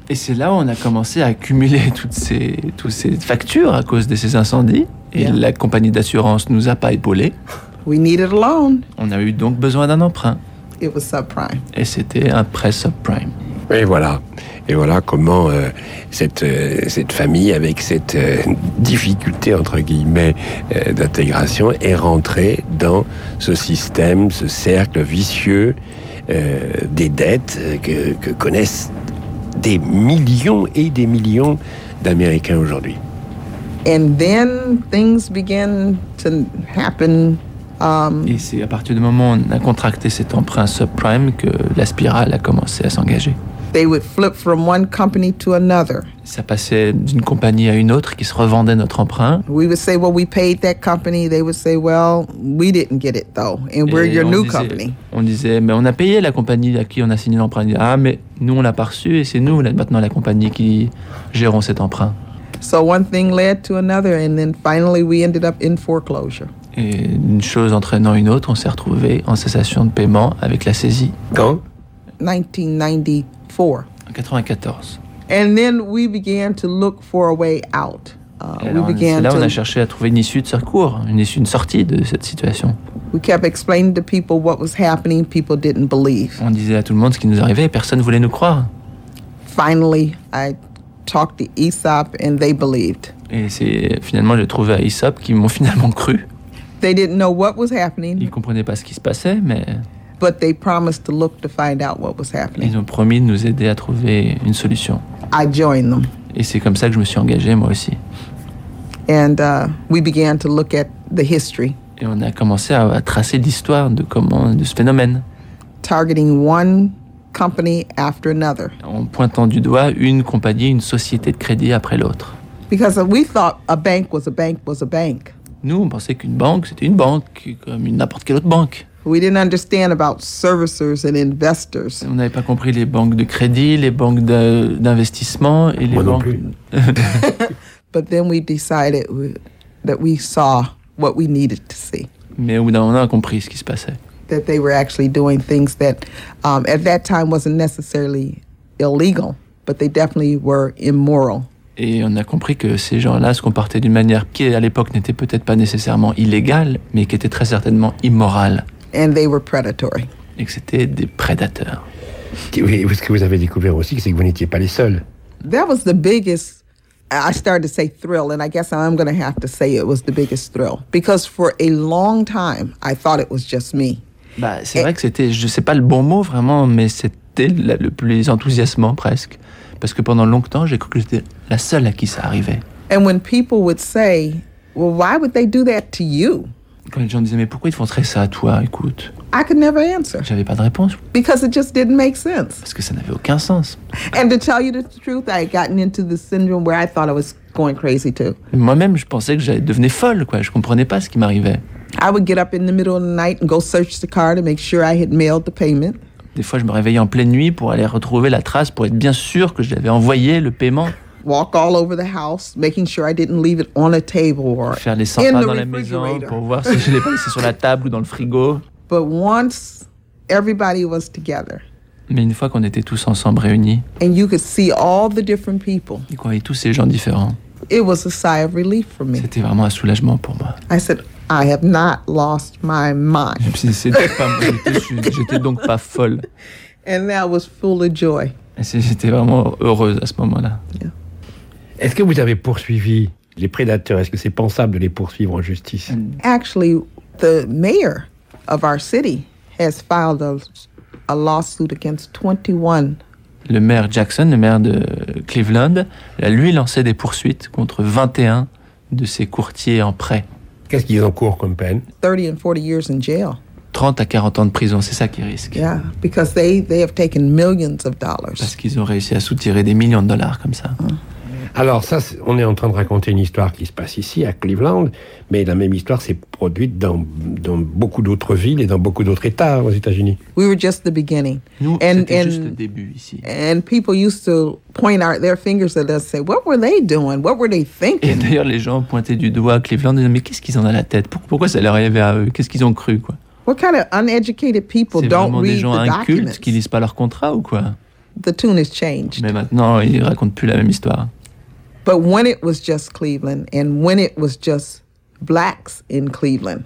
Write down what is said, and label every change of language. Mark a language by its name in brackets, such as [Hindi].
[French] Et c'est là où on a commencé à accumuler toutes ces factures à cause de ces incendies, et yeah. La compagnie d'assurance nous a pas épaulés. [English] We needed a loan. [French] On a eu donc besoin d'un emprunt. [English] It was subprime. [French] Et c'était un prêt subprime. Et voilà comment cette famille, avec cette difficulté entre guillemets d'intégration, est rentrée dans ce système, ce cercle vicieux des dettes que connaissent des millions et des millions d'Américains aujourd'hui. [English] And then things begin to happen. [French] Et c'est à partir du moment où on a contracté cet emprunt subprime que la spirale a commencé à s'engager. [English] They would flip from one company to another. [French] Ça passait d'une compagnie à une autre qui se revendait notre emprunt. [English] We would say, well, we paid that company. They would say, well, we didn't get it though, and we're your new company. [French] On disait, mais on a payé la compagnie à qui on a signé l'emprunt. Ils disaient, ah, mais nous on l'a pas reçu et c'est nous là maintenant la compagnie qui gérons cet emprunt. [English] So one thing led to another, and then finally we ended up in foreclosure. [French] Et une chose entraînant une autre, on s'est retrouvé en cessation de paiement avec la saisie. Quand? 1994. [English] And then we began to look for a way out. [French] On a cherché à trouver une issue de secours, une sortie de cette situation. [English] We kept explaining to people what was happening. People didn't believe. [French] On disait à tout le monde ce qui nous arrivait. Personne voulait nous croire. [English] Finally, I talked to Aesop, and they believed. [French] Et c'est finalement j'ai trouvé à Aesop qui m'ont finalement cru. [English] They didn't know what was happening. [French] Ils comprenaient pas ce qui se passait, mais. [English] But they promised to look to find out what was happening. [French] Ils ont promis de nous aider à trouver une solution. [English] I joined them. [French] Et c'est comme ça que je me suis engagé moi aussi. [English] And we began to look at the history. [French] Et on a commencé à tracer l'histoire de comment de ce phénomène. [English] Targeting one company after another. [French] En pointant du doigt une compagnie, une société de crédit après l'autre. [English] Because we thought a bank was a bank was a bank. [French] Nous, on pensait qu'une banque, c'était une banque comme n'importe quelle autre banque. [English] We didn't understand about servicers and investors. [French] On n'avait pas compris les banques de crédit, les banques d'investissement et les banques. Moi non plus. [English] But then we decided that we saw what we needed to see. [French] Mais au bout d'un moment, on a compris ce qui se passait. [English] That they were actually doing things that at that time wasn't necessarily illegal, but they definitely were immoral. [French] Et on a compris que ces gens-là se comportaient d'une manière qui à l'époque n'était peut-être pas nécessairement illégale, mais qui était très certainement immorale. [English] And they were predatory. [French] Et que c'était des prédateurs. Oui, ce que vous avez découvert aussi, c'est que vous n'étiez pas les seuls. [English] That was the biggest, I started to say thrill, and I guess I'm going to have to say it was the biggest thrill. Because for a long time, I thought it was just me. [French] Vrai que c'était, je ne sais pas le bon mot vraiment, mais c'était le plus enthousiasmant presque. Parce que pendant longtemps, j'ai cru que j'étais la seule à qui ça arrivait. [English] And when people would say, well, why would they do that to you? [French] Quand les gens disaient, mais pourquoi ils font ça à toi, écoute. [English] I could never answer. [French] J'avais pas de réponse. [English] Because it just didn't make sense. [French] Parce que ça n'avait aucun sens. [English] And to tell you the truth, I had gotten into the syndrome where I thought I was going crazy too. [French] Moi-même, je pensais que j'allais devenir folle, quoi. Je comprenais pas ce qui m'arrivait. [English] I would get up in the middle of the night and go search the car to make sure I had mailed the payment. [French] Des fois, je me réveillais en pleine nuit pour aller retrouver la trace, pour être bien sûr que j'avais envoyé le paiement. [English] Walk all over the house, making sure I didn't leave it on a table or [French] faire les 100 pas dans la maison pour voir si je l'ai pas laissé sur la table ou dans le frigo. [English] But once everybody was together, [French] mais une fois qu'on était tous ensemble réunis, [English] and you could see all the different people, [French] et qu'on voyait tous ces gens différents, [English] it was a sigh of relief for me. [French] C'était vraiment un soulagement pour moi. [English] I said, I have not lost my mind. [French] C'était pas moi. J'étais donc pas folle. [English] And that was full of joy. [French] Et j'étais vraiment heureuse à ce moment-là. [English] Yeah. [French] Est-ce que vous avez poursuivi les prédateurs? Est-ce que c'est pensable de les poursuivre en justice? [English] Actually, the mayor of our city has filed a lawsuit against 21. [French] Le maire Jackson, le maire de Cleveland, a lui lancé des poursuites contre 21 de ses courtiers en prêt. Qu'est-ce qu'ils encourent comme peine? [English] 30 and 40 years in jail. [French] 30 à 40 ans de prison. C'est ça qui risque. [English] Yeah, because they have taken millions of dollars. [French] Parce qu'ils ont réussi à soutirer des millions de dollars comme ça. Alors, ça, on est en train de raconter une histoire qui se passe ici, à Cleveland, mais la même histoire s'est produite dans beaucoup d'autres villes et dans beaucoup d'autres États aux États-Unis. [English] We were just the beginning. [French] Nous, c'était juste le début ici. [English] And people used to point their fingers at us and say, what were they doing? What were they thinking? [French] Et d'ailleurs, les gens pointaient du doigt à Cleveland et disaient, mais qu'est-ce qu'ils ont dans la tête? Pourquoi ça leur arrivait à eux? Qu'est-ce qu'ils ont cru, quoi? [English] What kind of uneducated people [French] c'est [English] don't read [French] des gens [English] the [French] incultes [English] documents? [French] Qui ne lisent pas leur contrat ou quoi? [English] The tune has changed. [French] Mais maintenant, ils ne racontent plus la même histoire. [English] But when it was just Cleveland, and when it was just blacks in Cleveland.